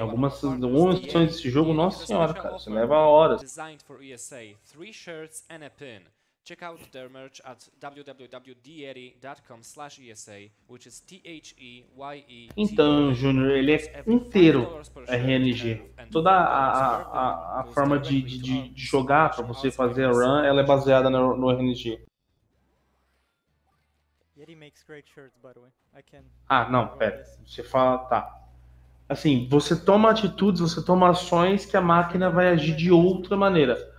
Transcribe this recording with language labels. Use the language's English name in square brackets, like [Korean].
[Portuguese] Algumas missões desse jogo, nossa senhora, cara, isso leva horas. [English] Designed for ESA, 3 shirts and a pin. Check out their merch at www.dieri.com/ESA, which is THEYE. [Portuguese] Então, Junior, ele é inteiro RNG. toda a forma de jogar para você fazer a run, ela é baseada no RNG. [English] Yeti makes great shirts, by the way. I can... [Portuguese] Ah, não, pera. Você fala, tá. Assim, você toma atitudes, você toma ações que a máquina vai agir de outra maneira.